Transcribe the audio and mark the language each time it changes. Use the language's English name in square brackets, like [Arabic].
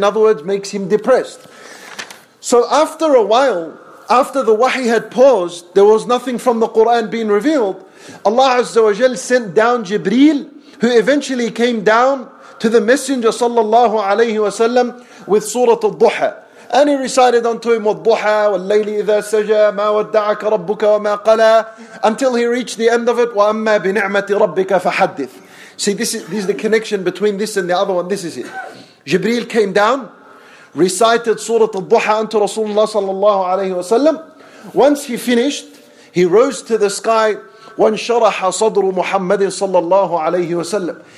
[English] In other words, makes him depressed. So after a while, after the wahi had paused, there was nothing from the Quran being revealed. Allah Azza wa Jal sent down Jibreel, who eventually came down to the Messenger sallallahu alayhi wa sallam with Surah Al-Duha. And he recited unto him, [Arabic] وَالضُحَى وَاللَّيْلِ إِذَا سَجَى مَا وَدَّعَكَ رَبُّكَ وَمَا قَلَى, [English] until he reached the end of it, [Arabic] وَأَمَّا بِنِعْمَةِ رَبِّكَ فَحَدِّثْ. [English] See, this is the connection between this and the other one. This is it. Jibreel came down, recited Surah Al-Duha unto Rasulullah sallallahu alayhi wa sallam. Once he finished, he rose to the sky, [Arabic] وَانْشَرَحَ صَدْرُ مُحَمَّدٍ صَلَّى اللَّهُ عَلَيْهِ وَسَلَّمُ.